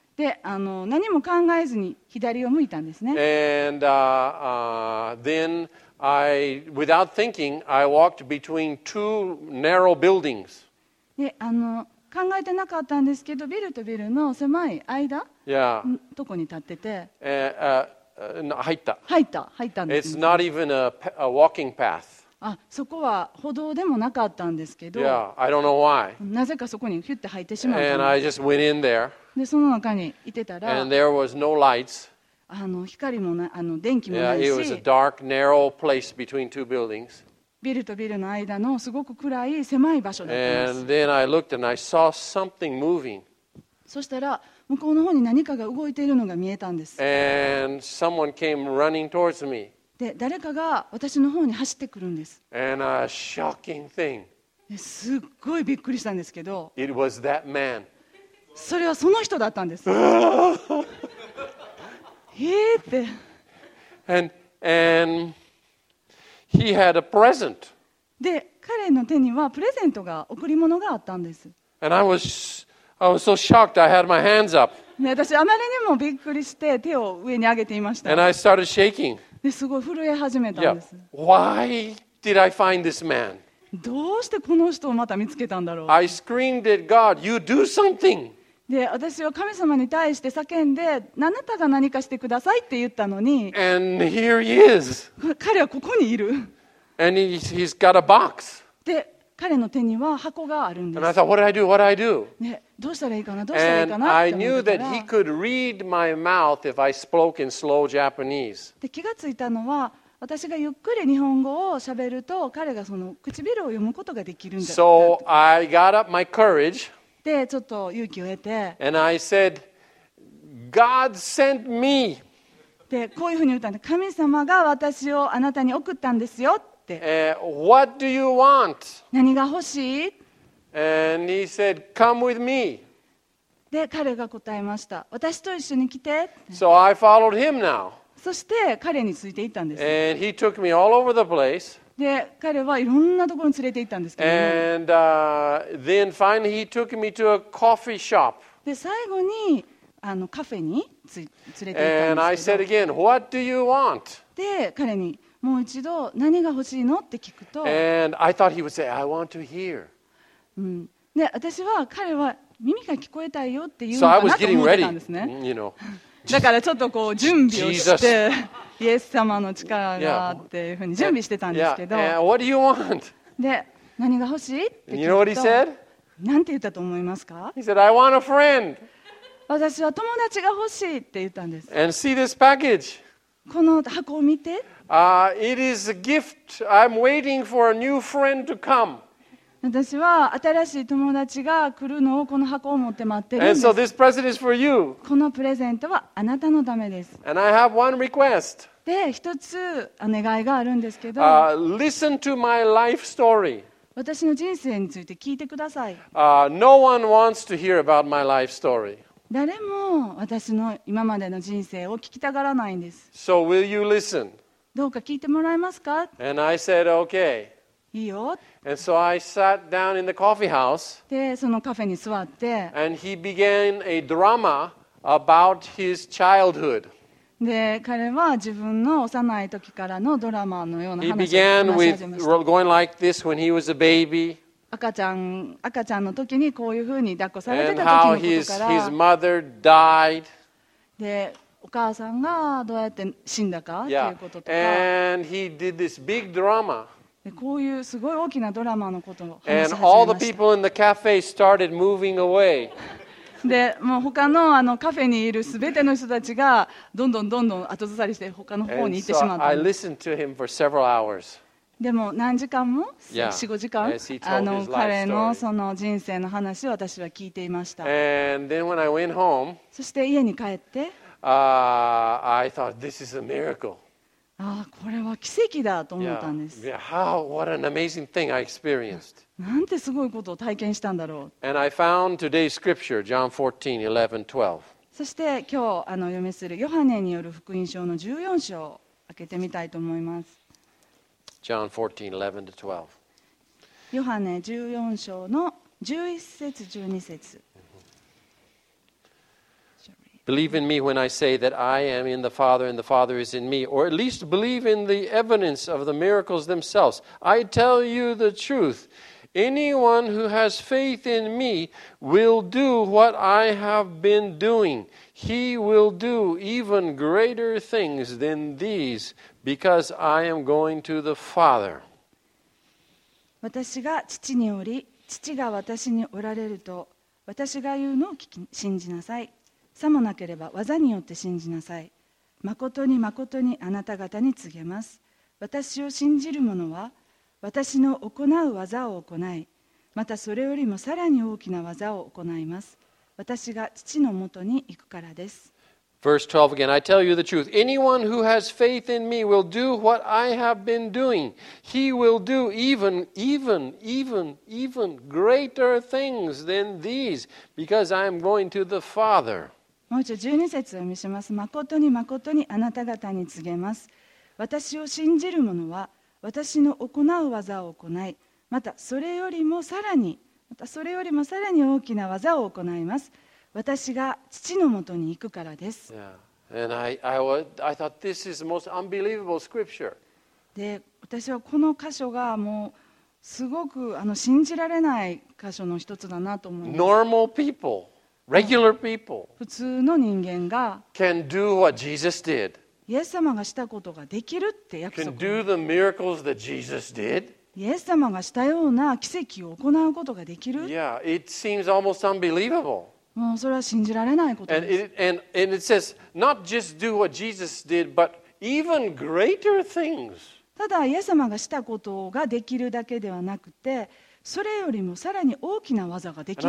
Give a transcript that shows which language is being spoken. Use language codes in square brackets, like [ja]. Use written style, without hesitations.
[ja] で、何も考えずに左を向いたんですね。 [en] And then I, without thinking, I walked between two narrow buildings. [ja] で、考えてなかったんですけど、ビルとビルの狭い間、 [en] yeah. [ja] とこに立ってて、入ったんです。 [en] It's not even a walking path. [ja] あ、そこは歩道でもなかったんですけど、 [en] yeah, I don't know why. [ja] なぜかそこにヒュッて入ってしまった。 [en] And I just went in there. [ja] で、その中にいてたら、 [en] And there was no lights. [ja] 光もない、電気もないし、 [en] yeah, it was a dark, narrow place between two buildings. [ja] ビルとビルの間のすごく暗い狭い場所だったんです。 [en] And then I looked and I saw something moving. [ja] そしたら向こうの方に何かが動いているのが見えたんです。 [en] And someone came running towards me. [ja] で、誰かが私の方に走ってくるんです。 [en] And a shocking thing. [ja] すっごいびっくりしたんですけど。 [en] It was that man. [ja] それはその人だったんです。って。 [en] And he had a present. [ja] で、彼の手にはプレゼントが、贈り物があったんです。 [en] And I was so shocked I had my hands up. [ja] 私あまりにもびっくりして手を上に上げていました。 [en] And I started shaking. [ja] すごい震え始めたんです。 [en] Yeah. Why did I find this man? [ja] どうしてこの人をまた見つけたんだろう。 [en] I screamed at God, you do something. [ja] で、私は神様に対して叫んで、あなたが何かしてくださいって言ったのに。 [en] And here he is. [ja] 彼はここにいる。 [en] And he's got a box. [ja] で、彼の手には箱があるんです。 [en] And I thought, what do I do? What do I do? [ja] ね、どうしたらいいかな、どうしたらいいかなって思ったら、 [en] I knew that he could read my mouth if I spoke in slow Japanese. [ja] で、気がついたのは、私がゆっくり日本語を喋ると、彼がその唇を読むことができるんだ。 [en] So I got up my courage. [ja] で、ちょっと勇気を得て。 [en] And I said, God sent me. [ja] で、こういうふうに言ったんで、神様が私をあなたに送ったんですよって。 [en] What do you want? [ja] 何が欲しい？ [en] And he said, "Come with me." [ja] で、彼が答えました。私と一緒に来て。 [en] So I followed him now. [ja] そして彼についていったんです。 [en] And he took me all over the place. [ja] で、彼はいろんなところに連れて行ったんですけど、 [en] And then finally he took me to a coffee shop. [ja] で、最後にあのカフェに連れて行ったんですけど、 [en] And I said again, what do you want? [ja] で、彼にもう一度何が欲しいのって聞くと、 [en] And I thought he would say, I want to hear. [ja] で、私は彼は耳が聞こえたいよって言うのかなと思ってたんですね。 [en] You know, [ja] だからちょっとこう準備をしてイエス様の力があっていうふうに準備してたんですけど。 [en] Yeah. What do you want? [ja] で、何が欲しいって聞くと。 [en] You know what he said? [ja] なんて言ったと思いますか？ [en] He said, I want a friend. [ja] 私は友達が欲しいって言ったんです。 [en] And see this package. [ja] この箱を見て。 [en] It is a gift. I'm waiting for a new friend to come. [ja] 私は新しい友達が来るのをこの箱を持って待ってるんです。 [en] And so this present is for you. [ja] このプレゼントはあなたのためです。 [en] And I have one request. [ja] で、一つお願いがあるんですけど。 [en] Listen to my life story. [ja] 私の人生について聞いてください。 [en] No one wants to hear about my life story. [ja] 誰も私の今までの人生を聞きたがらないんです。 [en] So will you listen? [ja] どうか聞いてもらえますか？ [en] And I said, okay. [ja] いいよ。 [en] And so I sat down in the coffee house. [ja] で、そのカフェに座って。 [en] And he began a drama about his childhood. [ja] で、彼は自分の幼い時からのドラマのような話を話し始めました。 [en] He began with going like this when he was a baby. [ja] 赤ちゃんの時にこういうふうに抱っこされてた時のことから。 [en] And how his mother died. [ja] で、お母さんがどうやって死んだかっていうこととか。 [en] And he did this big drama. [ja] こういうすごい大きなドラマのことを話し始めました。 [en] And all the people in the cafe started moving away. [ja] で、もう他の、 あのカフェにいるすべての人たちがどんどんどんどん後ずさりして他の方に行ってしまった。 [en] And so I listened to him for several hours. [ja] でも何時間も、四五時間、あの彼のその人生の話を私は聞いていました。 [en] And then when I went home, [ja] そして家に帰って、 [en] I thought this is a miracle. [ja] ああこれは奇跡だと思ったんです。 [en] Yeah. Yeah. How, what an amazing thing I experienced. [ja] なんてすごいことを体験したんだろう。 [en] And I found today's scripture, John 14, 11, 12. [ja] そして今日あの読みするヨハネによる福音書の14章開けてみたいと思います。 [en] John 14, 11 to 12. [ja] ヨハネ14章の11節12節。 [en] Believe in me when I say that I am in the Father and the Father is in me, or at least believe in the evidence of the miracles themselves. I tell you the truth. Anyone who has faith in me will do what I have been doing. He will do even greater things than these because I am going to the Father. [ja] 私が父におり、父が私におられると、私が言うのを聞き、信じなさい。さもなければ技によって信じなさい。まことにまことにあなた方に告げます。私を信じる者は私の行う技を行い、またそれよりもさらに大きな技を行います。私が父のもとに行くからです。 [en] Verse 12 again, I tell you the truth. Anyone who has faith in me will do what I have been doing. He will do even, even, even, even greater things than these because I am going to the Father. [ja] もう一度12節を読みします。誠に誠にあなた方に告げます。私を信じる者は私の行う技を行い、またそれよりもさらに、またそれよりもさらに大きな技を行います。私が父のもとに行くからです。 [en] Yeah. And I thought this is the most unbelievable scripture. [ja] で、私はこの箇所がもうすごくあの信じられない箇所の一つだなと思います。 [en] Normal peopleRegular people [ja] 普通の人間が [en] can do what Jesus did. [ja] イエス様がしたことができるって約束。 [en] Can do the miracles that Jesus did. [ja] イエス様がしたような奇跡を行うことができる。 [en] Yeah, it seems almost unbelievable. [ja] もうそれは信じられないことです。 [en] And it says not just do what Jesus did, but even greater things. [ja] ただイエス様がしたことができるだけではなくて、それよりもさらに大きな技ができる。